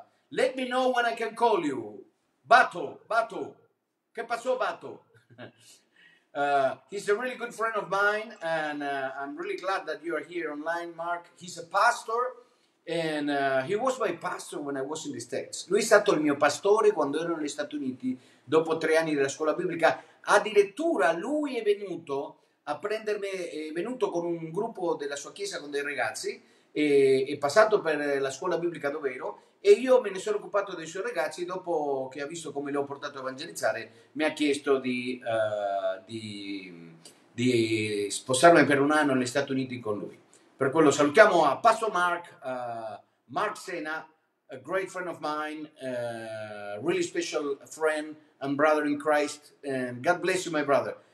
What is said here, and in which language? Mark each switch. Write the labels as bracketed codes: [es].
[en] Let me know when I can call you. Bato. [it] Che passò, [en] Bato? He's a really good friend of mine, and I'm really glad that you are here online, Mark. He's a pastor, and he was my pastor when I was in the States. [it] Lui è stato il mio pastore quando ero negli Stati Uniti, dopo 3 anni della scuola biblica. Addirittura lui è venuto a prendermi, è venuto con un gruppo della sua chiesa con dei ragazzi, è passato per la scuola biblica dove ero, e io me ne sono occupato dei suoi ragazzi. Dopo che ha visto come li ho portato a evangelizzare, mi ha chiesto di sposarmi per un anno negli Stati Uniti con lui. Per quello salutiamo a [en] Pastor Mark, Mark Sena, a great friend of mine, really special friend and brother in Christ, and God bless you, my brother.